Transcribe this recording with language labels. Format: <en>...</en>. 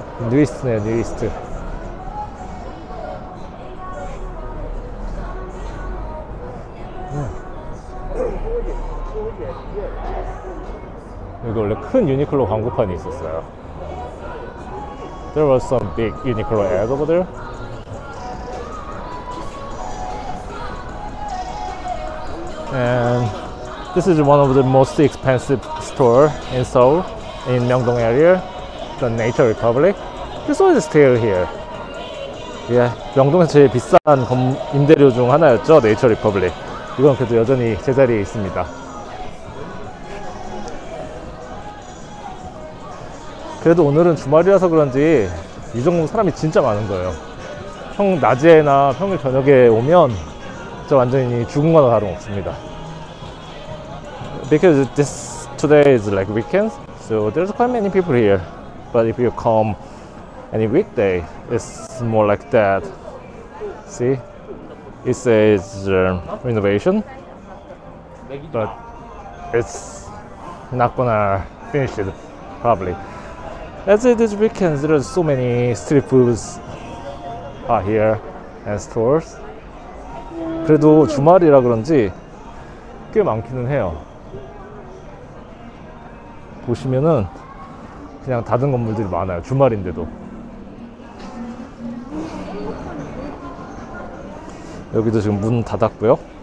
<ko>뉴이스트네요, 뉴이스트. 여기 원래 큰 유니클로 광고판이 있었어요.</ko> <en>There was some big Uniqlo ad over there. And this is one of the most expensive store in Seoul, in Myeongdong area, the Nature Republic. This one is still here. Yeah,</en> <ko>명동에서 제일 비싼 임대료 중 하나였죠,</ko> <en>Nature Republic.</en> <ko>이건 그래도 여전히 제자리에 있습니다. 그래도 오늘은 주말이라서 그런지 이 정도 사람이 진짜 많은 거예요. 평 낮에나 평일 저녁에 오면 진짜 완전히 죽은 거나 다름없습니다.</ko> <en>Because this today is like weekend, so there's quite many people here. But if you come any weekday, it's more like that. See? It says renovation, but it's not gonna finish it probably. As it is weekend, there are so many street foods are here and stores.</en> <ko>그래도 주말이라 그런지 꽤 많기는 해요. 보시면은 그냥 닫은 건물들이 많아요. 주말인데도. 여기도 지금 문 닫았고요.</ko>